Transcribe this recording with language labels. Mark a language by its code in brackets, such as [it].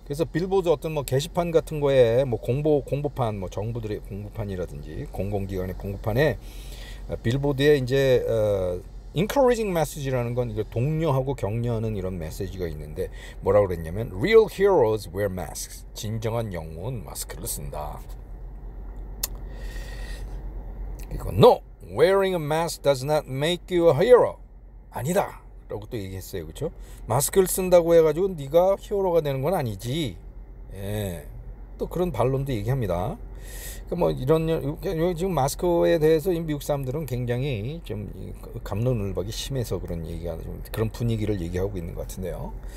[ko] 그래서 빌보드 어떤 뭐 게시판 같은 거에 뭐 공보판, 뭐 정부들의 공보판이라든지 공공기관의 공보판에 빌보드에 이제 encouraging message라는 건 이거 독려하고 격려하는 이런 메시지가 있는데 뭐라고 그랬냐면 [en] real heroes wear masks. [ko] 진정한 영웅은 마스크를 쓴다. 이거 [en] no, wearing a mask does not make you a hero. [ko] 아니다. 라고 또 얘기했어요. 그렇죠? 마스크를 쓴다고 해가지고 네가 히어로가 되는 건 아니지. 예. 또 그런 반론도 얘기합니다. 그러니까 뭐 이런 지금 마스크에 대해서 미국 사람들은 굉장히 좀 갑론을박이 심해서 그런 얘기가 좀 그런 분위기를 얘기하고 있는 것 같은데요.